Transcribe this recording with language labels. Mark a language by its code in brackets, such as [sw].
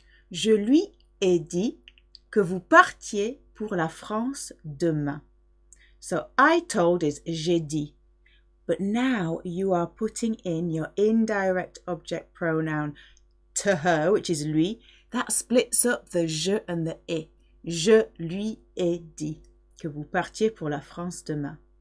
[fr] Je lui ai dit que vous partiez pour la France demain. [en] So I told is [fr] j'ai dit. [en] But now you are putting in your indirect object pronoun to her, which is lui. That splits up the je and the et. [fr] Je lui ai dit que vous partiez pour la France demain.